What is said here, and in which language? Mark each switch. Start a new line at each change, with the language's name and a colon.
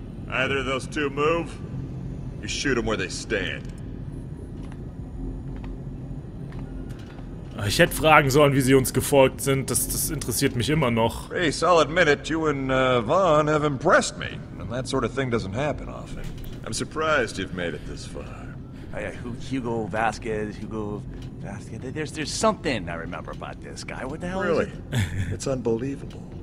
English: Either of those two move, you shoot them where they stand.
German: Ich hätte fragen sollen, wie sie uns gefolgt sind. Das interessiert mich immer noch.
English: Reese, I'll admit it, you and Vaughn have impressed me. And that sort of thing doesn't happen often. I'm surprised you've made it this far. Hugo Vasquez. There's something I remember about this guy. What the hell really? Is it? Really? It's unbelievable.